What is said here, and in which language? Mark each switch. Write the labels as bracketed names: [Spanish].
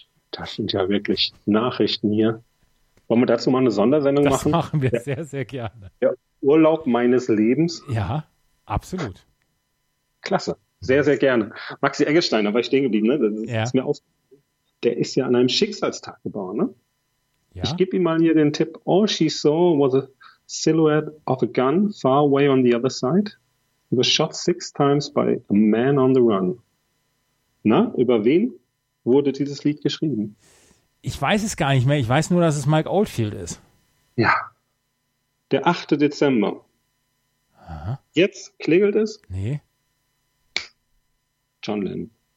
[German] Das sind ja wirklich Nachrichten hier. Wollen wir dazu mal eine Sondersendung das machen? Das machen wir sehr, sehr gerne. Ja, Urlaub meines Lebens. Ja, absolut. Klasse. Sehr, sehr gerne. Maxi Eggestein, da war ich stehen geblieben. Ne? Das ist ja. Mir der ist ja an einem Schicksalstag geboren, ne? Ja. Ich gebe ihm mal hier den Tipp. [English] All she saw was a silhouette of a gun far away on the other side. He was shot 6 times by a man on the run. [German] Na, über wen wurde dieses Lied geschrieben? Ich weiß es gar nicht mehr. Ich weiß nur, dass es Mike Oldfield ist. Ja. Der 8. Dezember. Aha. Jetzt klingelt es? Nee. John Lennon.